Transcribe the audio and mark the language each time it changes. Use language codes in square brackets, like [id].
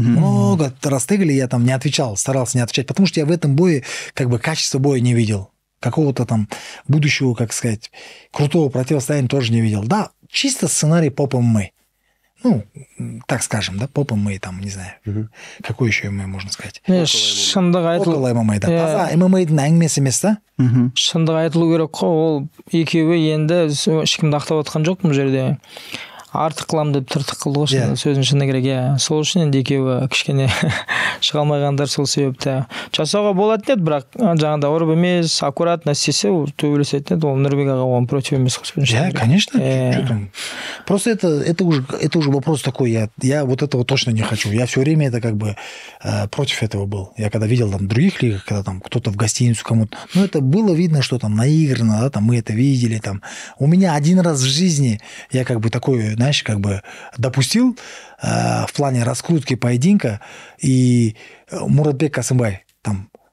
[ru] Много раз тегали, я там не отвечал, старался не отвечать, потому что я в этом бое как бы качество боя не видел. Какого-то там будущего, как сказать, крутого противостояния тоже не видел. Да, чисто сценарий поп-ММА. Ну, так скажем, да, поп-ММА там, не знаю. Mm-hmm. Какой еще ММА можно сказать? Около ММА, да. [kk] Таза ММА-дің әңгімесі емес, да? Шындық айтылу керек қой, ол екеуі енді ешкімді ақтап отқан жоқ бұл жерде. Артық қылам деп тыртық қылды ғой, сөзің шыны керек. Сол үшін енді екеуі кішкене шыға алмағандар сол себепті. Жасауға болатын еді, бірақ жаңағыдай ұрып емес, аккуратно істесе төбелесетін еді. Ол Нұрбек аға оған против емес қой, сөзің шыны керек. [ru] Конечно. Просто это уже вопрос такой. Я вот этого точно не хочу. Я все время это как бы против этого был. Я когда видел там в других лигах, когда там кто-то в гостиницу кому-то. Ну, это было видно, что там наиграно, да, там мы это видели. Там. У меня один раз в жизни я как бы такой, знаешь, как бы допустил в плане раскрутки поединка и Муратбек Касымбай там.